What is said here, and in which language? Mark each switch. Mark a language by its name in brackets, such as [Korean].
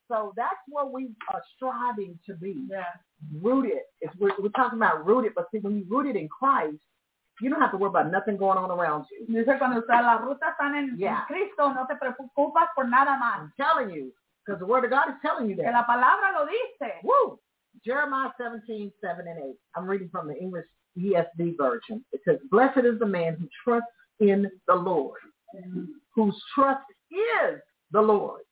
[English] So that's what we are striving to be. Yeah. Rooted. We're talking about rooted, but see, when you're rooted in Christ, you don't have to worry about nothing going on around you. [Spanish] Dice, cuando está la ruta está en Cristo, no te preocupas por nada más. [English] I'm telling you, because the word of God is telling you that. [Spanish] Que la palabra lo dice. [English] Woo! Jeremiah 17:7-8. I'm reading from the English ESV version. It says, blessed is the man who trusts in the Lord, whose trust is the Lord.